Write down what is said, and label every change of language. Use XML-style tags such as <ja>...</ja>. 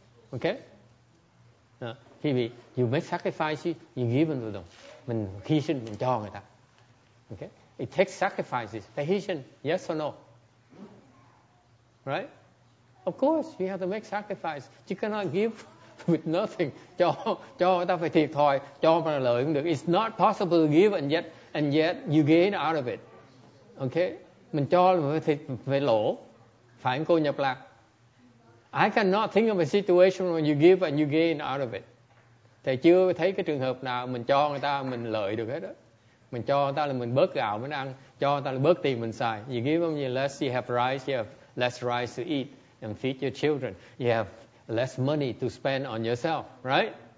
<en>Okay, quý vị you make sacrifice, you give them to them.</en> <vi>Mình hy sinh, mình cho người ta.</vi> <en>Okay? It takes sacrifices. The Haitian, yes or no? Right? Of course, you have to make sacrifice. You cannot give with nothing.</en> <vi>Cho người ta phải thiệt thòi, cho mà lợi cũng được.</vi> <en>It's not possible to give and yet you gain out of it. Okay?</en> <vi>Mình cho là phải thiệt, phải lỗ. Phải không cô nhập lạc?</vi> <en>I cannot think of a situation where you give and you gain out of it.</en> <vi>Thầy chưa thấy cái trường hợp nào mình cho người ta mình lợi được hết á. Mình cho người ta là mình bớt gạo mình ăn, cho người ta là bớt tiền mình xài.</vi> <en>You give them less, you have rice, you have less rice to eat and feed your children. You have less money to spend on yourself, right?</en>